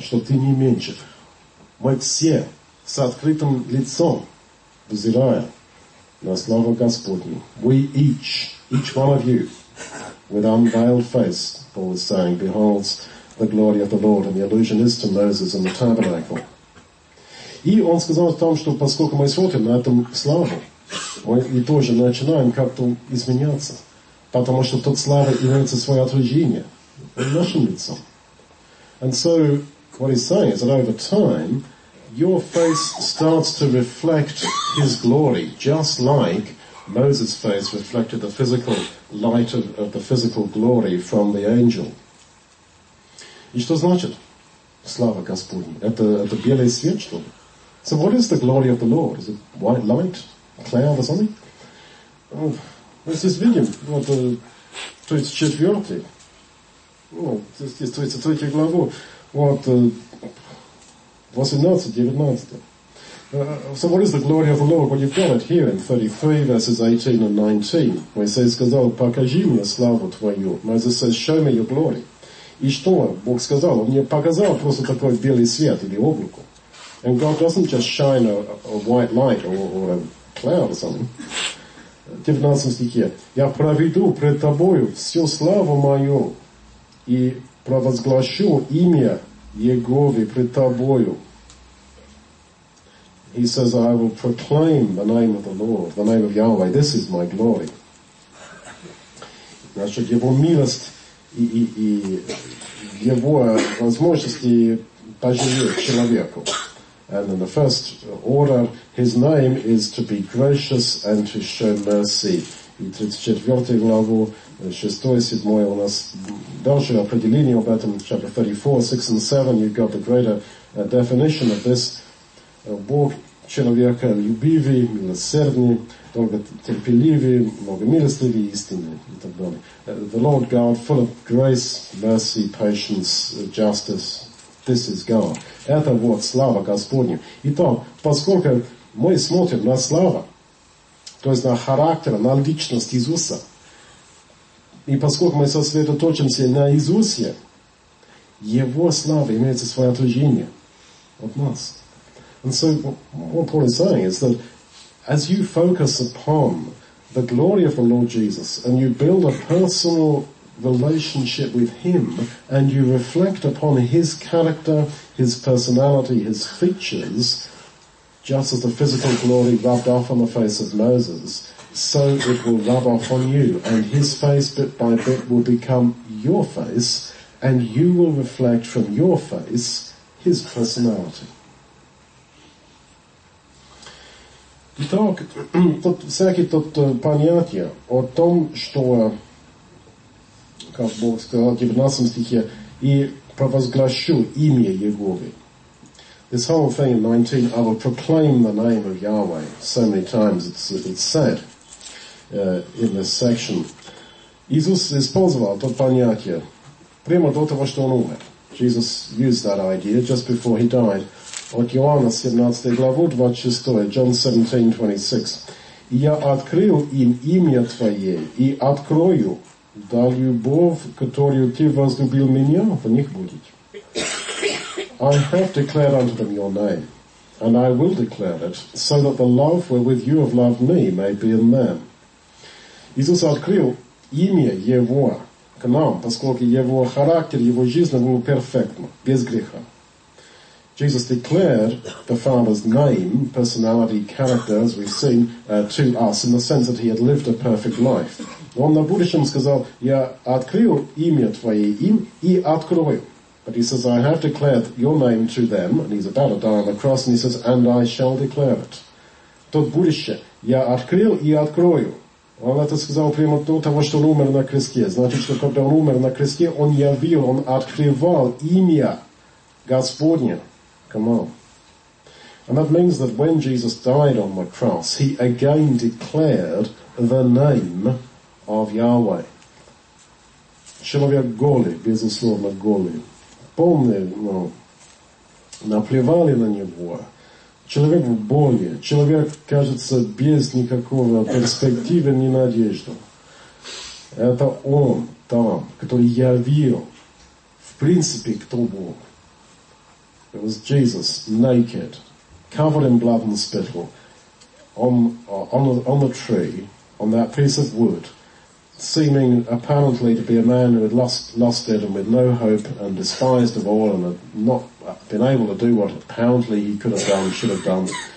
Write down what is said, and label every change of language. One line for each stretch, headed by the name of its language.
Russian: Мы все с открытым лицом взирая на славу Господню.
English: We each one of you, with unveiled face, Paul is saying, beholds the glory of the Lord, and the allusion is to Moses and the tabernacle.
Russian: И он сказал о том, что поскольку мы смотрим на эту славу, мы тоже начинаем как-то изменяться, потому что тот слава является свое отражение нашим лицом.
English: And so, what he's saying is that over time, your face starts to reflect his glory, just like Moses' face reflected the physical light of the physical glory from the angel.
Russian: И что значит слава Господня? Это белый свет, что ли?
English: So what is the glory of the Lord? Is it white light? A cloud or something?
Russian: Мы здесь видим, вот 34-й. Ну, здесь 33 главу, вот 18-19.
English: So what is the glory of the Lord? Well, you've got it here in 33 verses 18 and 19, where he says,
Russian: сказал, покажи мне славу твою.
English: Moses says, show me your glory.
Russian: И что Бог сказал? Он мне показал просто такой белый свет или облако.
English: And God doesn't just shine a white light or a cloud or something.
Russian: 19 стихе. Я проведу пред тобою всю славу мою, и провозглашу имя Егове пред тобою.
English: He says, I will proclaim the name of the Lord, the name of Yahweh. This is my glory.
Russian: Значит, его милость и его возможности поживет человеку.
English: And in the first order, his name is to be gracious and to show mercy.
Russian: И 34 главу, 6-7, у нас дальше определение об этом,
English: chapter 34, 6 and 7, you've got the greater definition of this.
Russian: Бог человека любивый, милосердный, долготерпеливый, многомилостливый, истинный, и так далее.
English: The Lord God, full of grace, mercy, patience, justice, this is God.
Russian: Это вот слава Господня. Итак, поскольку мы смотрим на славу, то есть на характер, на личность Иисуса. И поскольку мы сосредоточимся на Иисусе, Его слава имеется свое отражение от нас.
English: And so what Paul is saying is that as you focus upon the glory of the Lord Jesus and you build a personal relationship with Him and you reflect upon His character, His personality, His features, just as the physical glory rubbed off on the face of Moses, so it will rub off on you. And his face, bit by bit, will become your face, and you will reflect from your face his personality.
Russian: Итак, тут всякий тот понятие о том, что, как Бог сказал в 19 стихе, и провозглашу имя Егове.
English: This whole thing in 19, I will proclaim the name of Yahweh. So many times it's said in this section.
Russian: Иисус использовал тот понятие прямо до того, что он умер.
English: Jesus used that idea just before he died.
Russian: От Иоанна 17 главу 26, John 17:26. И я открыл им имя Твое, и открою, да любовь, которую Ты возлюбил меня, в них будет.
English: I have declared unto them your name, and I will declare it, so that the love wherewith you have loved me may be in them.
Russian: Иисус открыл имя Его к нам, поскольку Его характер, Его жизнь был перфектно, без греха.
English: Jesus declared the Father's name, personality, character, as we've seen, to us, in the sense that he had lived a perfect life.
Russian: Он на будущем сказал, я открыл имя Твое им и открою.
English: But he says, I have declared your name to them, and he's about to die on the cross, and he says, and I shall declare it.
Russian: тот будущее я открыл и открою. Он это сказал прямо до того, что он умер на кресте. Значит, что когда он умер на кресте, он явил, он открывал имя Господне.
English: Come on. And that means that when Jesus died on the cross, he again declared the name of Yahweh. Человек голый, безусловно голый. Помни, ну, наплевали на него. Человек в боли, человек, кажется, без никакого перспективы, ни надежды. Это он там, который явил, в принципе, кто Бог. It was Jesus, naked, covered in blood and spittle, on the tree, on that piece of wood, seeming apparently to be a man who had lost it and with no hope and despised of all and had not been able to do what apparently he could have done, should have done.